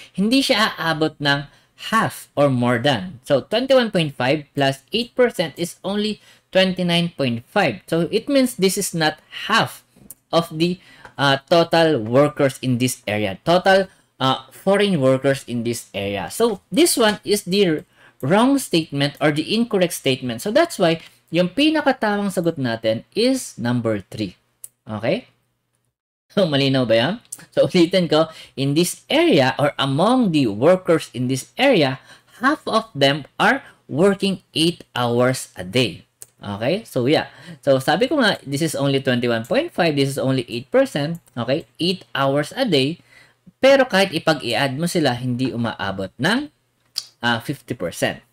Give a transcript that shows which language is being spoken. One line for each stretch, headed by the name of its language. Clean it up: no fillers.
Filipino: Hindi siya aabot ng half or more than.
English: So, 21.5 plus 8% is only 29.5. So, it means this is not half of the total workers in this area. Total foreign workers in this area. So, this one is the wrong statement or the incorrect statement. So, that's why
Filipino: yung pinakatamang sagot natin
English: is number 3. Okay? So,
Filipino: malinaw ba yan?
English: So,
Filipino: ulitin ko,
English: in this area or among the workers in this area, half of them are working 8 hours a day. Okay, so yeah. So,
Filipino: sabi ko nga,
English: this is only 21.5, this is only 8%, okay? 8 hours a day.
Filipino: Pero kahit ipag-i-add mo sila, hindi umaabot ng 50%.